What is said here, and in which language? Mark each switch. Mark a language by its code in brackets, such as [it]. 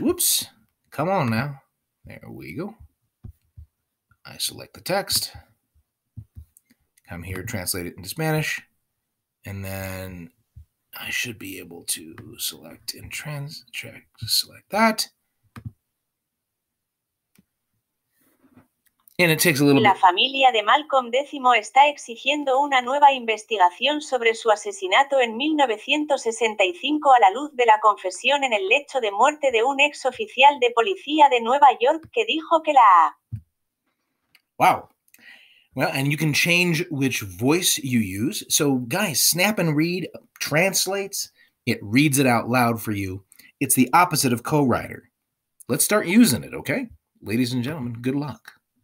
[en] Whoops. Come on now. There we go. I select the text. Come here, translate it into Spanish. And then I should be able to select and select that. And it takes a little [es] bit. La familia de Malcolm X está exigiendo una nueva investigación sobre su asesinato en 1965 a la luz de la confesión en el lecho de muerte de un ex oficial de policía de Nueva York que dijo que la... [en] Wow. Well, and you can change which voice you use. So, guys, Snap and Read translates. It reads it out loud for you. It's the opposite of co-writer. Let's start using it, okay? Ladies and gentlemen, good luck.